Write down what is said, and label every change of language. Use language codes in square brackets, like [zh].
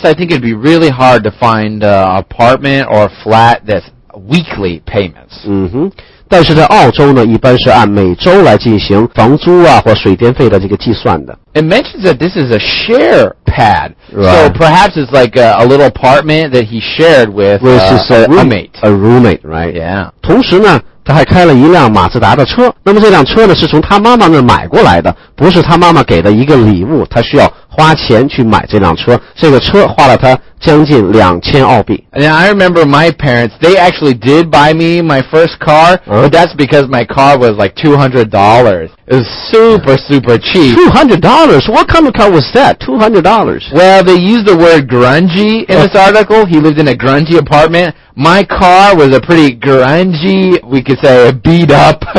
[en] I think it'd be really hard to find an apartment or a flat that's weekly payments. 嗯哼。 [zh] 但是在澳洲呢，一般是按每周来进行房租啊或水电费的这个计算的。 [en] It mentions that this is a share pad, right. So perhaps it's like a little apartment that he shared with his roommate. A roommate, right? Yeah. [zh] 同时呢，他还开了一辆马自达的车。那么这辆车呢，是从他妈妈那买过来的，不是他妈妈给的一个礼物。他需要花钱去买这辆车。这个车花了他将近2000澳币。 [en] And I remember my parents; they actually did buy me my first car, but that's because my car was like $200. It was super, super cheap. $200? What kind of car was that? $200? Well, they used the word grungy in this article. He lived in a grungy apartment. My car was a pretty grungy, we could say, a beat up.